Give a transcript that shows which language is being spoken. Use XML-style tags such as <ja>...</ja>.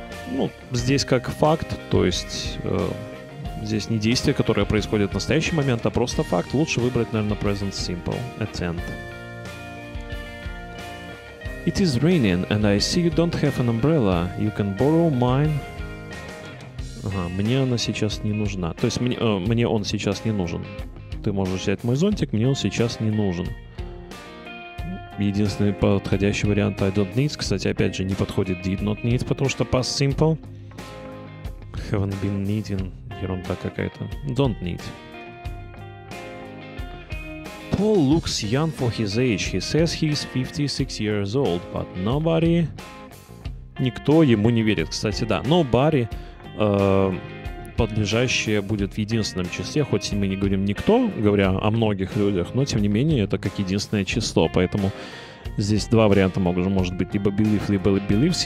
<ru>Ну, здесь как факт, то есть здесь не действие, которое происходит в настоящий момент, а просто факт. Лучше выбрать, наверное, present simple, attend.</ru> <en>It is raining, and I see you don't have an umbrella. You can borrow mine.</en> <ru>Ага, мне она сейчас не нужна. То есть мне он сейчас не нужен. Ты можешь взять мой зонтик, мне он сейчас не нужен. Единственный подходящий вариант</ru> <en>I don't need.</en> <ru>Кстати, опять же, не подходит</ru> <en>did not need,</en> <ru>потому что past simple.</ru> <en>Haven't been needing.</en> <ru>Ерунда какая-то.</ru> <en>Don't need. Paul looks young for his age. He says he is 56 years old, but nobody...</en> <ru>Никто ему не верит. Кстати, да, nobody подлежащее будет в единственном числе, хоть мы не говорим никто, говоря о многих людях, но тем не менее это как единственное число, поэтому здесь два варианта могут, может быть, либо believe, либо believes.</ru>